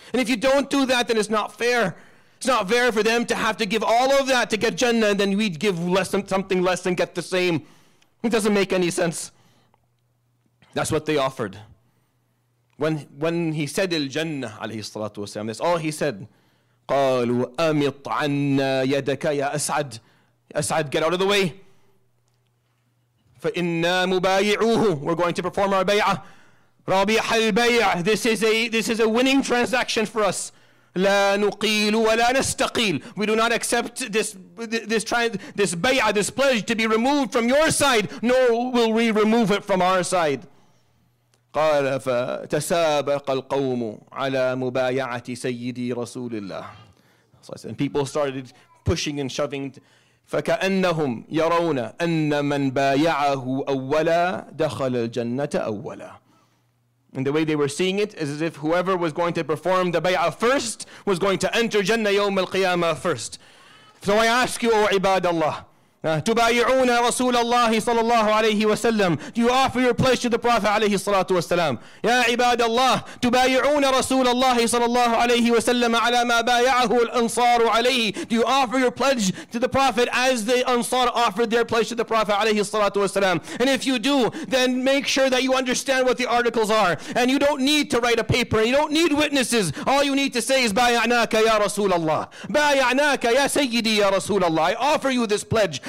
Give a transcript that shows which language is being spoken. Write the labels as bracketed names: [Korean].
[English] And if you don't do that, then it's not fair. It's not fair for them to have to give all of that to get Jannah, and then we'd give less than, something less and get the same. It doesn't make any sense. That's what they offered. When he said al-jannah alayhi salatu wasalam, that's all he said. [Arabic] قالوا أمط عنا يدك يا أسعد. [English] أسعد, get out of the way. [Arabic] فَإِنَّا مُبَايِعُوهُ. [English] We're going to perform our bay'ah. [Arabic] رَابِحَ الْبَيْعَ. [English] This is a winning transaction for us. [Arabic] لَا نُقِيلُ وَلَا نَسْتَقِيلُ. [English] We do not accept this bay'ah, this pledge to be removed from your side, nor will we remove it from our side. [Arabic] قال فتسابق القوم على مبايعة سيدي رسول الله. [English] And people started pushing and shoving. [Arabic] فكأنهم يرون أن من بايعه أولا دخل الجنة أولا. [English] And the way they were seeing it is as if whoever was going to perform the bay'ah first was going to enter Jannah [Arabic] يوم القيامة [English] first. So I ask you, O [Arabic] عباد الله, تبايعون رسول الله صلى الله عليه وسلم. [English] Do you offer your pledge to the Prophet [Arabic] عليه الصلاة والسلام؟ يا عباد الله, تبايعون رسول الله صلى الله عليه وسلم على ما بايعه الأنصار عليه. [English] Do you offer your pledge to the Prophet as the Ansar offered their pledge to the Prophet [Arabic] عليه الصلاة والسلام؟ [English] And if you do, then make sure that you understand what the articles are, and you don't need to write a paper, you don't need witnesses. All you need to say is [Arabic] بايعناك يا رسول الله, بايعناك يا سيدي يا رسول الله. [English] I offer you this pledge.